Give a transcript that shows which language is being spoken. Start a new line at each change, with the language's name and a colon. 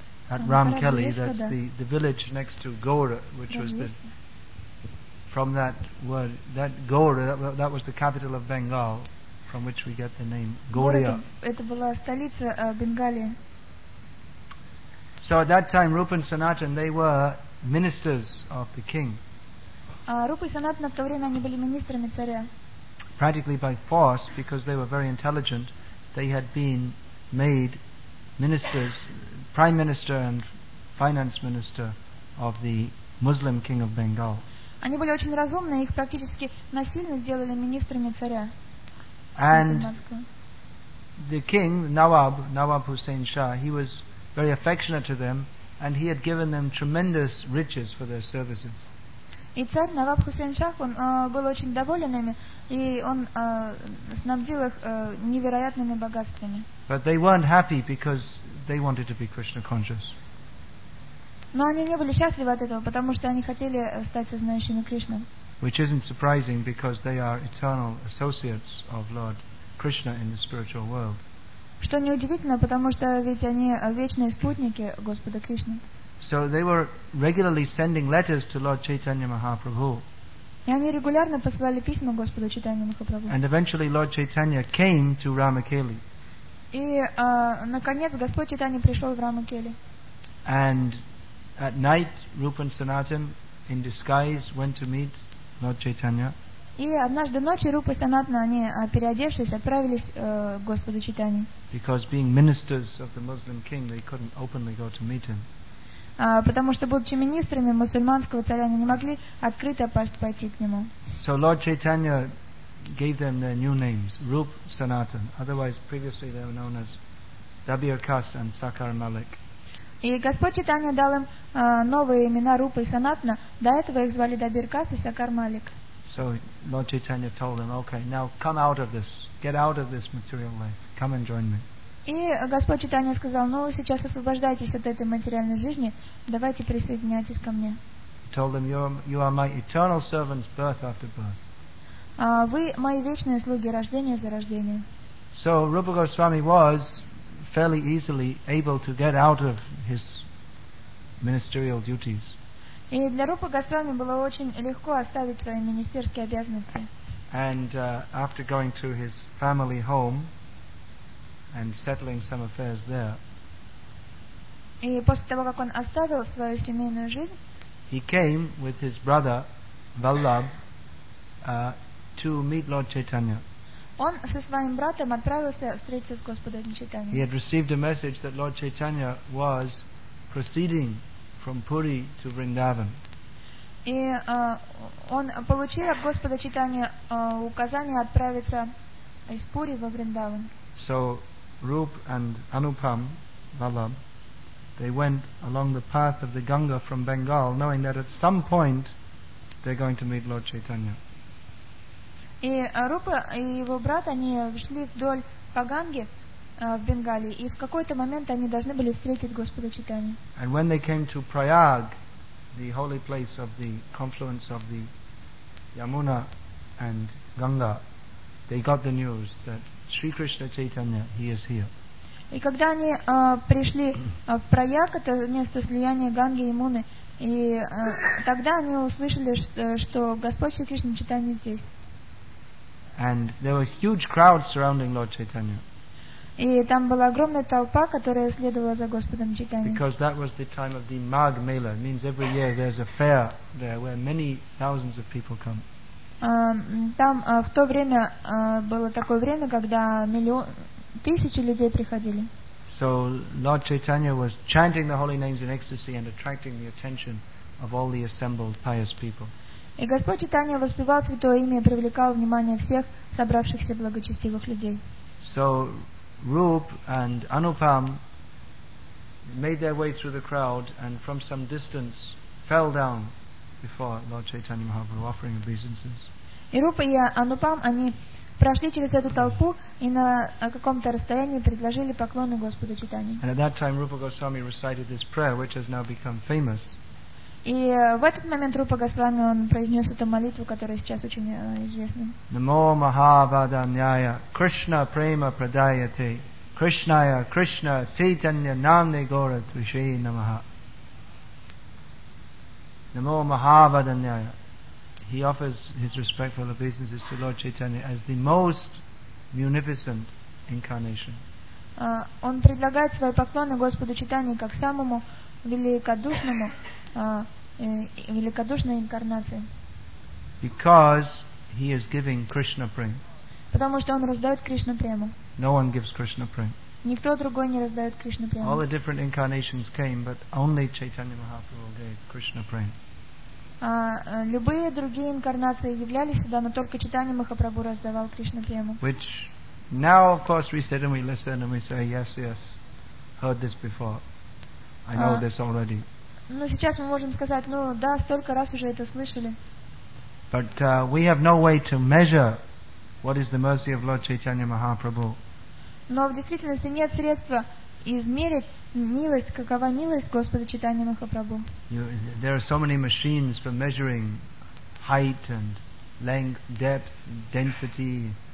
English: at Ramkeli, that's the village next to Gaur, which was the from that word that Gaur, that was the capital of Bengal, from which we get the name Gauriya.
Russian: Это была столица Бенгалии.
English: So at that time, Rupa and Sanatan, they were ministers of the king.
Russian: Rupa и Sanatana в то время они были министрами царя.
English: Practically by force, because they were very intelligent, they had been made ministers, prime minister and finance minister of the Muslim king of Bengal.
Russian: Они были очень разумны, их практически насильно сделали министрами царя.
English: And the king, Nawab Hussein Shah, he was very affectionate to them, and he had given them tremendous riches for their services.
Russian: И царь Наваб Хусейн Шах, он был очень доволен ими, и он снабдил их невероятными богатствами.
English: But they weren't happy because they wanted to be Krishna conscious.
Russian: Но они не были счастливы от этого, потому что они хотели стать сознающими Кришны.
English: Which isn't surprising because they are eternal associates of Lord Krishna in the spiritual world.
Russian: Что неудивительно, потому что ведь они вечные спутники Господа Кришны.
English: So they were regularly sending letters to Lord Chaitanya Mahaprabhu.
Russian: И они регулярно посылали письма Господу Чайтанье Махапрабху.
English: And eventually Lord Chaitanya came to Ramakeli.
Russian: И наконец Господь Чайтанья пришел в Рамакели.
English: And at night Rupa and Sanatan in disguise went to meet Lord Chaitanya.
Russian: И однажды ночью Рупа и Санатана, они переодевшись, отправились к Господу Чайтанье.
English: Because being ministers of the Muslim king, they couldn't openly go to meet him.
Russian: Потому что, будучи министрами мусульманского царя, они не могли открыто пойти к нему.
English: So Lord Chaitanya gave them their new names, Rupa Sanatan. Otherwise, previously they were known as Dabir Kas and Sakar Malik.
Russian: И Господь Чайтанья дал им новые имена Рупа и Санатана. До этого их звали Дабир Кас и Сакар Малик.
English: So Lord Chaitanya told them, okay, now come out of this. Get out of this material life. Come and join me.
Russian: И Господь Чайтанья сказал, сейчас освобождайтесь от этой материальной жизни. Давайте присоединяйтесь ко мне.
English: He told them, you are my eternal servants, birth after birth.
Russian: Вы мои вечные слуги, рождение за рождение.
English: So Rupa Goswami was fairly easily able to get out of his ministerial duties.
Russian: И для Рупа Госвами было очень легко оставить свои министерские обязанности.
English: And after going to his family home and settling some affairs there.
Russian: И после того, как он оставил свою семейную жизнь,
English: he came with his brother Vallabh to meet Lord Chaitanya.
Russian: Он со своим братом отправился встретиться с Господом Чайтаньей.
English: He had received a message that Lord Chaitanya was proceeding from Puri to Vrindavan.
Russian: И он получил от Господа Чайтаньи указание отправиться из Пури во Вриндаван.
English: So Rup and Anupam, Vallabh, they went along the path of the Ganga from Bengal, knowing that at some point they're going to meet Lord Chaitanya.
Russian: И Рупа и его брат, они шли вдоль по Ганге в Бенгалии, и в какой-то момент они должны были встретить Господа Чайтаньи.
English: And when they came to Prayag, the holy place of the confluence of the Yamuna and Ganga, they got the news that Sri Krishna Chaitanya, he is here.
Russian: И когда они пришли в Прояг, это место слияния Ганги и Муны, и тогда они услышали, что Господь Шри Кришна Чайтанья здесь.
English: And there were huge crowds surrounding Lord Chaitanya.
Russian: И там была огромная толпа, которая следовала за Господом Чайтаньей.
English: Because that was the time of the Mag Mela. It means every year there's a fair there where many thousands of people come.
Russian: Там в то время было такое время, когда тысячи людей приходили.
English: So Lord Chaitanya was chanting the holy names in ecstasy and attracting the attention of all the assembled pious people.
Russian: И Господь Чайтанья воспевал святое имя и привлекал внимание всех собравшихся благочестивых людей.
English: So Rup and Anupam made their way through the crowd and from some distance fell down before Lord Chaitanya Mahaprabhu offering obeisances.
Russian: И Рупа и Анупам, они прошли через эту толпу и на каком-то расстоянии предложили поклоны Господу Чайтанье.
English: And at that time Rupa Goswami recited this prayer which has now become famous.
Russian: И в этот момент Рупа Госвами он произнес эту молитву, которая сейчас очень известна.
Sanskrit: Намо Махавадамняя Кришна Према Прадаяте Кришная Кришна Чайтанья Намне Гора Твише Намаха. Намо Махавадамняя.
English: He offers his respectful obeisances to Lord Chaitanya as the most munificent incarnation.
Russian: Он предлагает свои поклоны Господу Чайтанье как самому великодушному, великодушной инкарнации.
English: Because he is giving Krishna prema.
Russian: Потому что он раздает Кришна прему.
English: No one gives Krishna prema.
Russian: Никто другой не раздает Кришна прему.
English: All the different incarnations came, but only Chaitanya Mahaprabhu gave Krishna prema.
Russian: Любые другие инкарнации являлись сюда, но только Чайтанья Махапрабху раздавал Кришна прему.
English: Which now, of course, we sit and we listen and we say, yes, yes, heard this before. I know this already.
Russian: Но сейчас мы можем сказать, ну да, столько раз уже это слышали.
English: But we have no way to measure what is the mercy of Lord Chaitanya Mahaprabhu.
Russian: Но в действительности нет средства измерить милость, какова милость Господа Чайтанья Махапрабху.
English: There are so many machines for measuring height and length, depth, density.